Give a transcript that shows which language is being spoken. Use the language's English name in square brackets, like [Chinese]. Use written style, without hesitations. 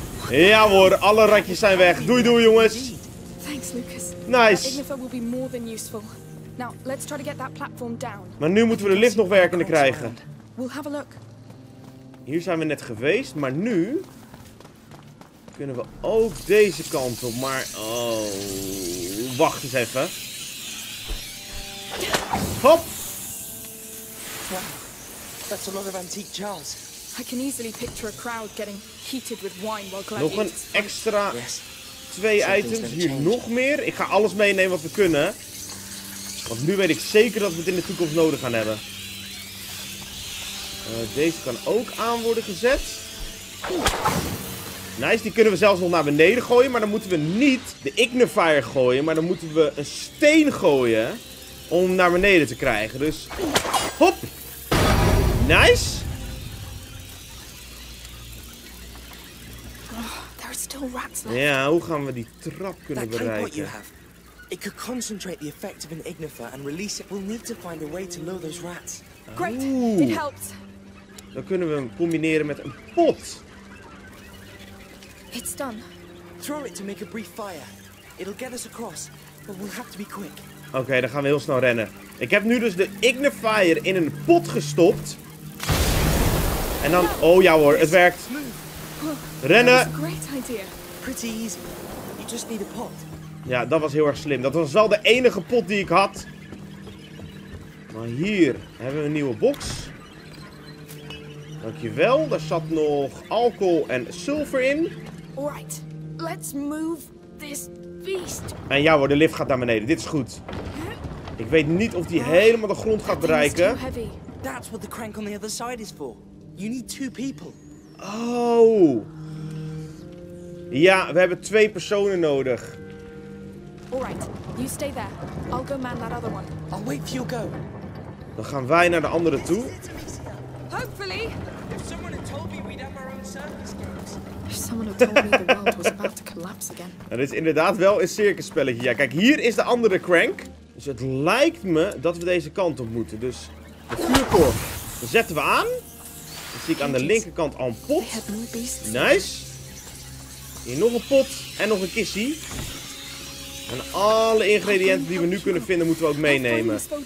[Dutch] Ja hoor, alle ratjes zijn weg. Doei doei jongens. [English] Thanks, Lucas. Nice. Ignifer will be more than useful. Now, let's try to get that platform down. [Dutch] Maar nu moeten we de lift nog werkende krijgen. [English] We'll have a look. [Dutch] Hier zijn we net geweest, maar nu kunnen we ook deze kant op. Maar, oh, wacht eens even. Hop! [English] Wow, that's a lot of antique jars. I can easily picture a crowd getting heated with wine while gladiators. [Dutch] Nog een extra 2 items. Hier nog meer. Ik ga alles meenemen wat we kunnen. Want nu weet ik zeker dat we het in de toekomst nodig gaan hebben. Deze kan ook aan worden gezet. Nice, die kunnen we zelfs nog naar beneden gooien. Maar dan moeten we niet de Ignifier gooien. Maar dan moeten we een steen gooien om naar beneden te krijgen. Dus hop. Nice. Ja, hoe gaan we die trap kunnen bereiken? [English] It could concentrate the effect of an ignifer and release it. We'll need to find a way to lure those rats. Great, it helps. [Dutch] Dan kunnen we hem combineren met een pot. [English] It's done. Throw it to make a brief fire. It'll get us across, but we'll have to be quick. [Dutch] Oké, dan gaan we heel snel rennen. Ik heb nu dus de ignifier in een pot gestopt. En dan, oh ja hoor, het werkt. Rennen. [English] Great idea. Pretty easy. You just need a pot. [Dutch] Ja, dat was heel erg slim. Dat was wel de enige pot die ik had. Maar hier hebben we een nieuwe box. Dankjewel. Daar zat nog alcohol en zilver in. [English] Alright, let's move this beast. [Dutch] En ja hoor, de lift gaat naar beneden. Dit is goed. Ik weet niet of die helemaal de grond gaat bereiken. [English] That's what the crank on the other side is for. You need two people. Oh. [Dutch] Ja, we hebben twee personen nodig. [English] Alright, you stay there. I'll go man that other one. I'll wait for your go. [Dutch] Dan gaan wij naar de andere toe. [English] Hopefully. If someone had told me we'd have our own circus games. If someone had told me the world was about to collapse again. [Dutch] Dat is inderdaad wel een circusspelletje. Ja, kijk, hier is de andere crank. Dus het lijkt me dat we deze kant op moeten. Dus de vuurkorf zetten we aan. Dan zie ik aan de linkerkant al een pot. Nice. Hier nog een pot en nog een kissie. En alle ingrediënten die we nu kunnen vinden, moeten we ook meenemen.